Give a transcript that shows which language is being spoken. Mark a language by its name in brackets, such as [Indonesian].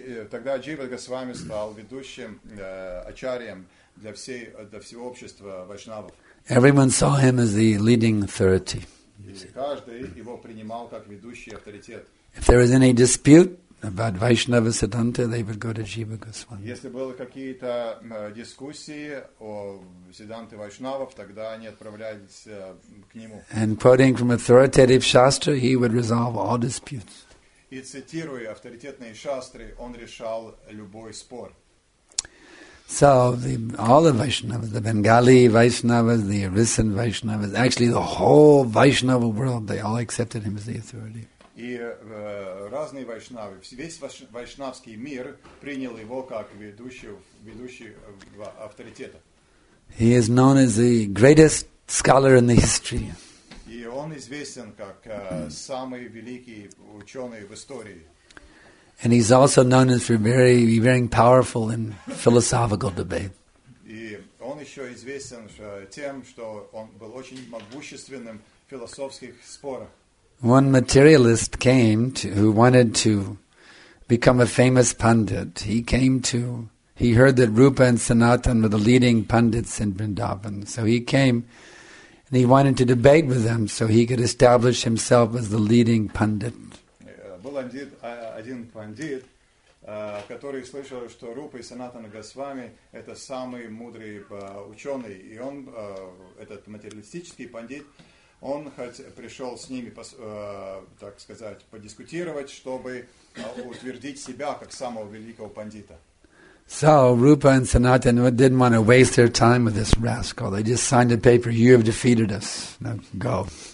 [Russian] Тогда Jiva Goswami стал ведущим ачарьем для всего общества вайшнавов. [English] Everyone saw him as the leading authority. [Russian] Каждый его принимал как ведущий авторитет. [English] If there was any dispute about Vaishnava Siddhanta, they would go to Jiva Goswami. [Russian] Если были какие-то дискуссии о Сиддханте Вайшнавов, тогда они отправлялись к нему. [English] And quoting from authoritative shastra, he would resolve all disputes. [Russian] И цитируя авторитетные шастры, он решал любой спор. [English] So all the Vaishnavas, the Bengali Vaishnavas, the Arisan Vaishnavas, actually the whole Vaishnava world, they all accepted him as the authority. [Russian] И разные вайшнавы, весь вайшнавский мир принял его как ведущего авторитета. [English] He is known as the greatest scholar in the history. [Russian] И он известен как самый великий ученый в истории. [English] And he's also known as for very, very powerful in philosophical debate. [Russian] И он еще известен тем, что он был очень могущественным в философских спорах. [English] One materialist came to, who wanted to become a famous pundit. He heard that Rupa and Sanatan were the leading pundits in Vrindavan. So he came and he wanted to debate with them so he could establish himself as the leading pundit. [Russian] Был один пандит, который слышал, что Рупа и Санатана Госвами это самые мудрые ученые. И он, этот материалистический пандит, он пришел с ними, так сказать, подискутировать, чтобы утвердить себя как самого великого пандита. [English] So Rupa and Sanatana didn't want to waste their time with this rascal. They just signed a paper, you have defeated us, now go.